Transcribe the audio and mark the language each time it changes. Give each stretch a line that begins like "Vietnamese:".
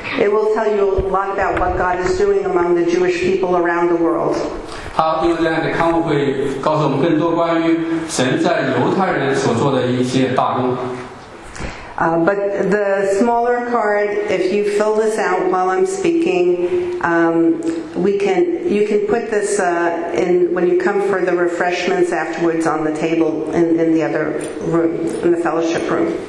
English: It will tell you a lot about what God is doing among the Jewish people around the world.
Chinese: 他用这样的刊物会告诉我们更多关于神在犹太人所做的一些大工。
English: But the smaller card, if you fill this out while I'm speaking, you can put this in when you come for the refreshments afterwards on the table in the other room, in the fellowship room.